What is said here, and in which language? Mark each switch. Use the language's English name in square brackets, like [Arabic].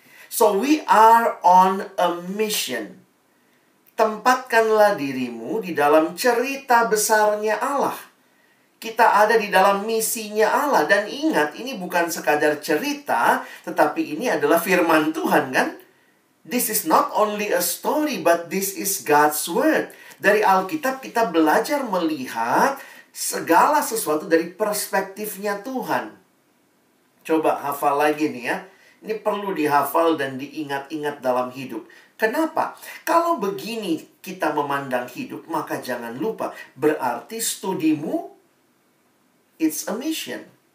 [English] So we are on a mission. [Indonesian] Tempatkanlah dirimu di dalam cerita besarnya Allah. Kita ada di dalam misinya Allah. Dan ingat, ini bukan sekadar cerita, tetapi ini adalah firman Tuhan, kan? [English] This is not only a story, but this is God's word. [Indonesian] Dari Alkitab, kita belajar melihat segala sesuatu dari perspektifnya Tuhan. Coba hafal lagi nih ya. Ini perlu dihafal dan diingat-ingat dalam hidup. Kenapa? Kalau begini kita memandang hidup, maka jangan lupa, berarti studimu, [English] it's a mission.